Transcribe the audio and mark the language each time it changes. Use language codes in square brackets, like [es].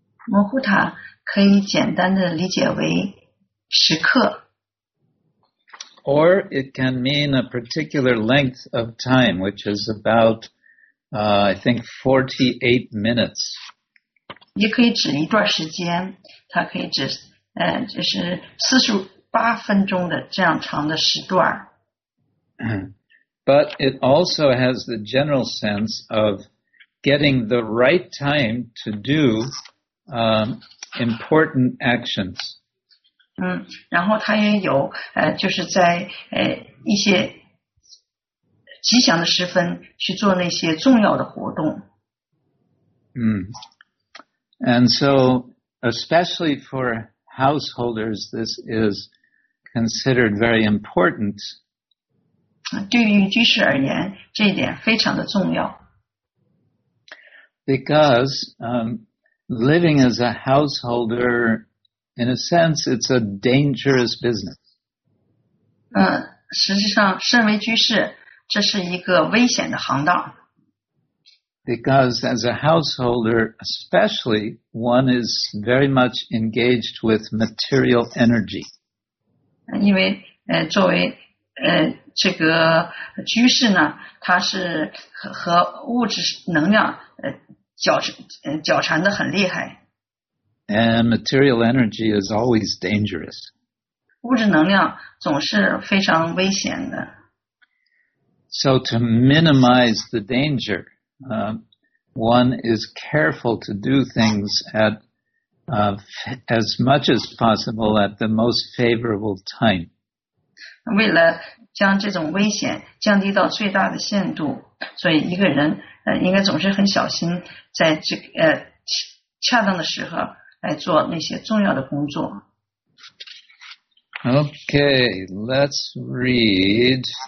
[zh] Muhurta 可以简单的理解为时刻。 [en] Or it can mean a particular length of time, which is about, I think, 48 minutes. [zh] 也可以指一段时间，它可以指就是48分钟的这样长的时段。 [en] But it also has the general sense of getting the right time to do important actions. [zh] 然后它也有就是在一些吉祥的时分去做那些重要的活动。 [en] And so, especially for householders, this is considered very important. [zh] 对于居士而言，这一点非常的重要。 [en] Because living as a householder, in a sense, it's a dangerous business. [zh] 实际上，身为居士，这是一个危险的行当。 [en] Because as a householder, especially, one is very much engaged with material energy. [zh] 因为作为这个居士呢，他是和物质能量搅缠的很厉害。 [en] And material energy is always dangerous. [zh] 物质能量总是非常危险的。 [en] So to minimize the danger, one is careful to do things at as much as possible at the most favorable time. [zh] 为了将这种危险降低到最大的限度，所以一个人应该总是很小心，在这个恰当的时候来做那些重要的工作。 [en] Okay, let's read.